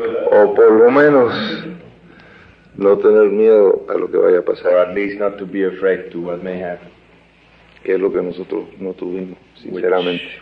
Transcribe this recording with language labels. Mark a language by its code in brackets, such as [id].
[es] O por lo menos no tener miedo a lo que vaya a pasar. [en] Or at least not to be afraid to what may happen. [es] Que es lo que nosotros no tuvimos, sinceramente.